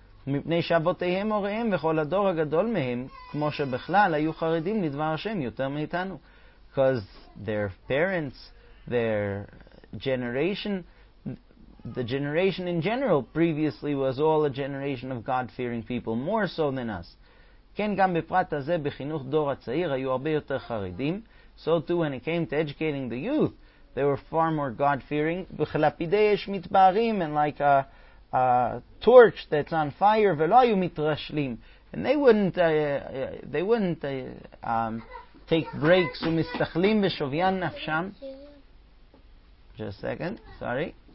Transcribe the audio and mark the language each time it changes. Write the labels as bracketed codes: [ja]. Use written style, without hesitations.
[he] מפני שאבותיהם הוריהם וכל הדור הגדול מהם, כמו שבכלל היו חרדים לדבר השם יותר מאיתנו. [en] Because their parents, their generation, the generation in general previously was all a generation of God-fearing people, more so than us. [he] כן, גם בפרט הזה, בחינוך דור הצעיר, היו הרבה יותר חרדים. [en] So too, when it came to educating the youth, they were far more God-fearing. [he] וכלפידי אש מתבערים, [en] and like a torch that's on fire, [he] ולא היו מתרשלים. [en] And they wouldn't take breaks [he] ומסתכלים בשוויין נפשם. [en] Just a second, sorry.